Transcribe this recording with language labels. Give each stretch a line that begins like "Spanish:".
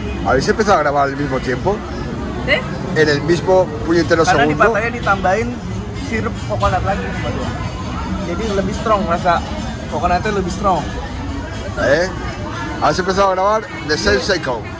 Spanish: ¿Habéis empezado a grabar al mismo tiempo? ¿Sí? En el mismo puñetero segundo.
Indonesian: Karena di Pattaya ditambahin sirup coconut lagi sama gua. Jadi lebih strong rasa coconutnya, lebih strong. ¿Eh?
Spanish: ¿Habéis empezado a grabar
English: the same second?